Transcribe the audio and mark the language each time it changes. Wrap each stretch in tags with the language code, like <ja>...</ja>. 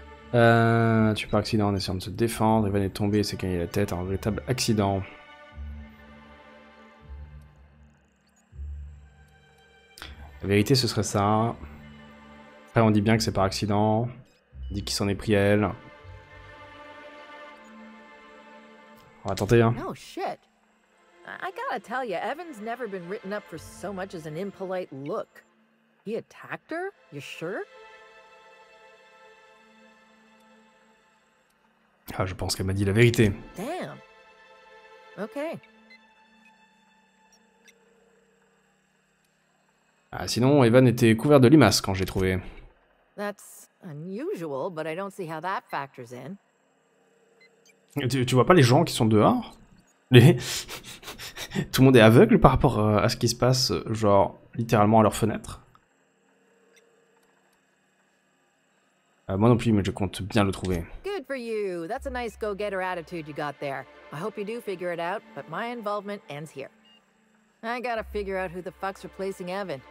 <fr>Tu par accident en essayant de se défendre, Evan est tombé et s'est cogné la tête, un véritable accident. La vérité ce serait ça. Après on dit bien que c'est par accident, on dit qu'il s'en est pris à elle. On va tenter, hein.</fr> <en>No shit. I gotta tell you, Evan's never been written up for so much as an impolite look. He attacked her? You sure?</en> <fr>Ah, je pense qu'elle m'a dit la vérité.</fr> <en>Damn. Okay.</en> <fr>Ah, sinon, Evan était couvert de limaces quand je l'ai trouvé.</fr> <en>That's unusual, but I don't see how that factors in.</en> <fr>Tu vois pas les gens qui sont dehors? Tout le monde est aveugle par rapport à ce qui se passe, genre, littéralement à leur fenêtre. Moi non plus, mais je compte bien le trouver.</fr> <en>Good for you. That's a nice go-getter attitude you got there. I hope you do figure it out, but my involvement ends here. I gotta figure out who the fuck's replacing Evan.</en>